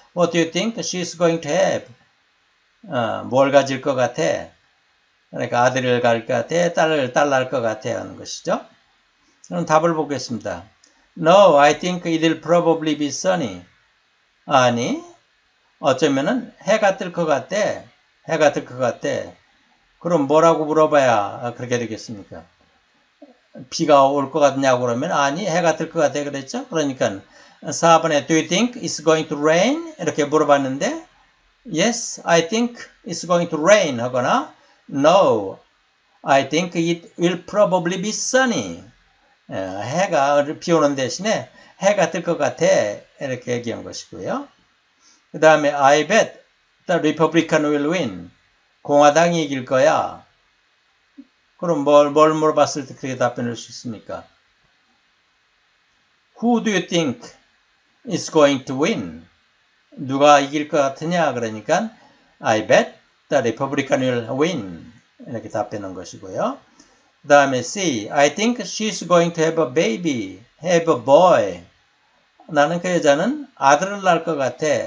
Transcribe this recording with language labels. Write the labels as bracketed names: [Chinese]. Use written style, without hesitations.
[English] What do you think she's going to have? [Korean] 뭘 가질 것 같아? 그러니까 아들을 낳을 것 같아, 딸을 낳을 것 같아 하는 것이죠. 그럼 답을 보겠습니다. [English] No, I think it'll probably be sunny. [Korean] 아니, 어쩌면은 해가 뜰것 같아. 해가 뜰것 같아. 그럼 뭐라고 물어봐야 그렇게 되겠습니까? 비가 올것 같냐고 그러면 아니 해가 뜰것 같아 그랬죠? 그러니까 4번에 [English] Do you think it's going to rain? [Korean] 이렇게 물어봤는데 [English] Yes, I think it's going to rain [Korean] 하거나 [English] No, I think it will probably be sunny. [Korean] 해가 비 오는 대신에 해가 뜰것 같아 이렇게 얘기한 것이고요. 그 다음에 [English] I bet the Republican will win. [Korean] 공화당이 이길 거야. 그럼 뭘 물어봤을 때 그렇게 답변할 수 있습니까? [English] Who do you think is going to win? [Korean] 누가 이길 것 같으냐? 그러니까 [English] I bet the Republican will win. [Korean] 이렇게 답변한 것이고요. 그 다음에 C. [English] I think she's going to have a baby. Have a boy. [Korean] 나는 그 여자는 아들을 낳을 것 같아.